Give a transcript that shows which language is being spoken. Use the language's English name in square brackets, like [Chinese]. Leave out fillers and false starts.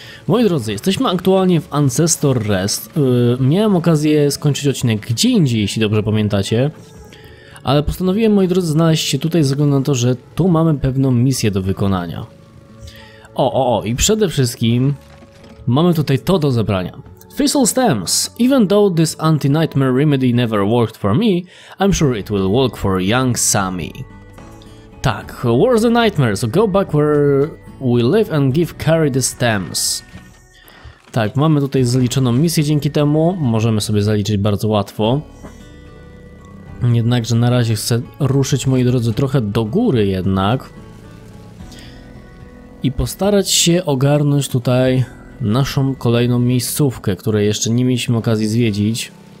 [Polish] Moi drodzy, jesteśmy aktualnie w Ancestor Rest. Miałem okazję skończyć odcinek gdzie indziej, jeśli dobrze pamiętacie. Ale postanowiłem, moi drodzy, znaleźć się tutaj ze względu na to, że tu mamy pewną misję do wykonania. I przede wszystkim mamy tutaj to do zebrania. [English] Thistle stems. Even though this anti-nightmare remedy never worked for me, I'm sure it will work for young Sammy. Tak, war's a nightmare, so go back where we live and give Carrie the stems. [Polish] Tak, mamy tutaj zaliczoną misję dzięki temu. Możemy sobie zaliczyć bardzo łatwo. Jednakże na razie chcę ruszyć, moi drodzy, trochę do góry jednak. I postarać się ogarnąć tutaj naszą kolejną miejscówkę, której jeszcze nie mieliśmy okazji zwiedzić.